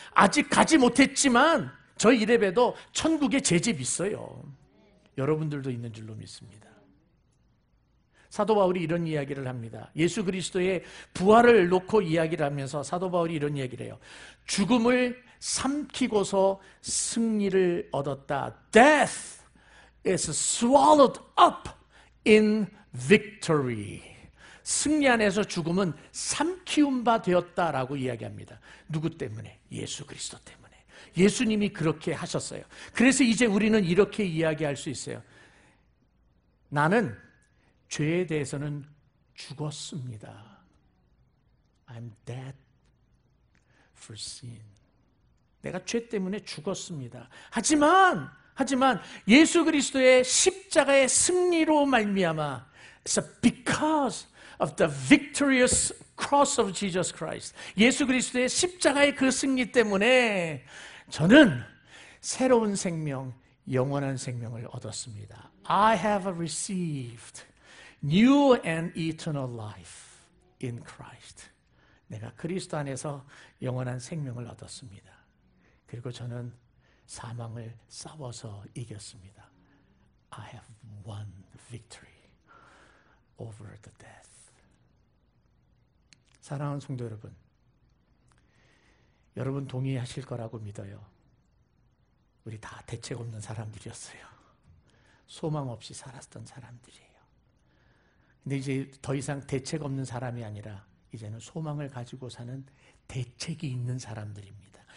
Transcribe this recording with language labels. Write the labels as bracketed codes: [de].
[ko] 아직 가지 못했지만 저 이래봬도 천국에 제 집 있어요. 여러분들도 있는 줄로 믿습니다. 사도 바울이 이런 이야기를 합니다. 예수 그리스도의 부활을 놓고 이야기를 하면서 사도 바울이 이런 이야기를 해요. 죽음을 삼키고서 승리를 얻었다. [en] Death is swallowed up in victory. [ko] 승리 안에서 죽음은 삼키운 바 되었다라고 이야기합니다. 누구 때문에? 예수 그리스도 때문에. 예수님이 그렇게 하셨어요. 그래서 이제 우리는 이렇게 이야기할 수 있어요. 나는 죄에 대해서는 죽었습니다. [en] I'm dead for sin. [ko] 내가 죄 때문에 죽었습니다. 하지만 예수 그리스도의 십자가의 승리로 말미암아 [en] so because of the victorious cross of Jesus Christ [ko] 예수 그리스도의 십자가의 그 승리 때문에 저는 새로운 생명, 영원한 생명을 얻었습니다. [en] I have received new and eternal life in Christ. [ko] 내가 그리스도 안에서 영원한 생명을 얻었습니다. 그리고 저는 사망을 싸워서 이겼습니다. [en] I have won victory over the death. [ko] 사랑하는 성도 여러분, 여러분 동의하실 거라고 믿어요. 우리 다 대책 없는 사람들이었어요. 소망 없이 살았던 사람들이에요. 근데 이제 더 이상 대책 없는 사람이 아니라 이제는 소망을 가지고 사는 대책이 있는 사람들입니다.